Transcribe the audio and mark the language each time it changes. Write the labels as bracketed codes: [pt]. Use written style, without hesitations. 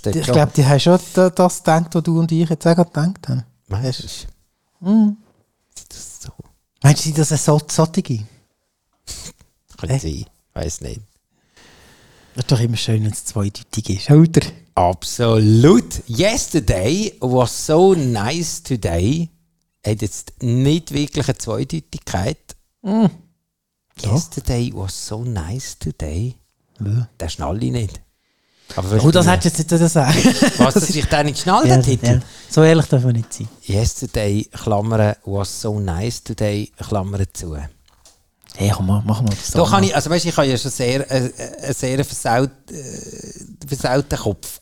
[de] der. Ich glaube, die haben schon das gedacht, was du und ich jetzt auch gerade gedacht haben. Meinst du? Meinst du, sind das eine Sottige? Könnte sein, weiß nicht. Das ist doch immer schön, wenn es zweideutig ist, oder? Absolut. [en] Yesterday was so nice today. [de] Hat jetzt nicht wirklich eine Zweideutigkeit. Mm. [en] Yesterday was so nice today. [de] Ja. Den schnalle ich nicht. Aber oh, das hättest du jetzt nicht so sagen. Was, dass ich den nicht schnalle, den Titel? Ja. So ehrlich darf man nicht sein. [en] Yesterday, [de] Klammern, [en] was so nice today, [de] Klammern zu. Hey, komm mal, mach mal das. Doch, ich, also weißt, ich habe ja schon sehr versauten Kopf.